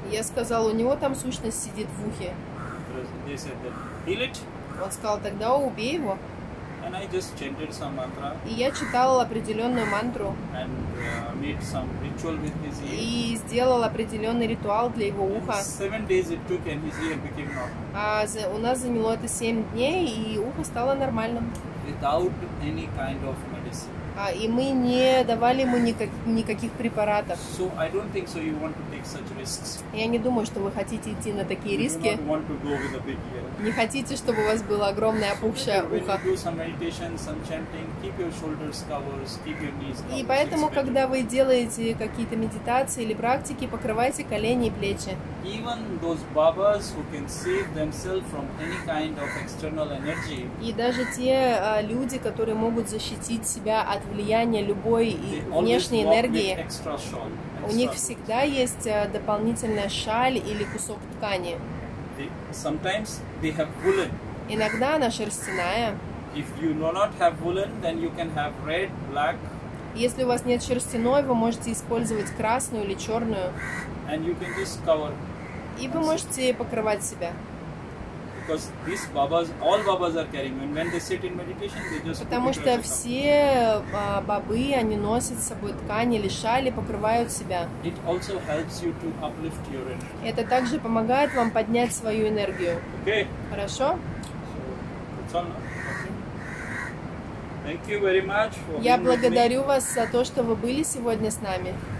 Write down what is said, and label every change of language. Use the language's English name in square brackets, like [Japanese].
[Russian] Я сказал, у него там сущность сидит в ухе. [English] They said that, heal it. [Russian] Он сказал, тогда убей его. [English] And I just chanted some mantra. [Russian] И я читал определенную мантру. [English] And, made some ritual with his ear. [Russian] И сделал определенный ритуал для его уха. [English] And 7 days it took, and his ear became normal. [Russian] У нас заняло это 7 дней, и ухо стало нормальным. [English] Without any kind of medicine. [Russian] И мы не давали ему никаких препаратов. [English] So I don't think so. You want to take such risks. [Russian] Я не думаю, что вы хотите идти на такие [English] you [Russian] риски. [English] Do not want to go with a big ear. [Russian] Не хотите, чтобы у вас было огромное опухшее ухо. [English] When you do some meditation, some chanting, keep your shoulders covered, keep your knees covered. [Russian] И поэтому, когда вы делаете какие-то медитации или практики, покрывайте колени и плечи. [English] Even those babas who can save themselves from any kind of external energy. [Russian] И даже те люди, которые могут защитить себя от влияния любой внешней энергии, у них всегда есть дополнительная шаль или кусок ткани. [English] Sometimes they have woolen. [Russian] Иногда она шерстяная. [English] If you do not have woolen, then you can have red, black. [Russian] Если у вас нет шерстяной, вы можете использовать красную или черную. [English] And you can just cover. [Russian] И вы можете покрывать себя. [English] Because these babas, all babas are carrying, and when they sit in meditation, they just. [Russian] Потому что все бабы, они носят с собой ткани или шали, покрывают себя. [English] It also helps you to uplift your energy. [Russian] Это также помогает вам поднять свою энергию. [English] Okay. [Russian] Хорошо. [English] So, thank you very much for. [Russian] Я благодарю вас за то, что вы были сегодня с нами.